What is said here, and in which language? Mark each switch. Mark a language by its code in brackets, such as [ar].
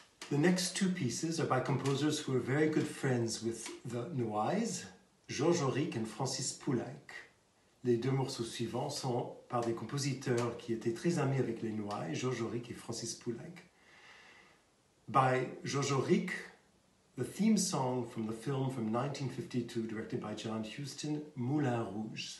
[en] The next two pieces are by composers who are very good friends with the Noailles, Georges Auric and Francis Poulenc. [fr] Les deux morceaux suivants sont par des compositeurs qui étaient très amis avec les Noailles, Georges Auric et Francis Poulenc. [en] By Georges Auric, the theme song from the film from 1952, directed by John Huston, Moulin Rouge.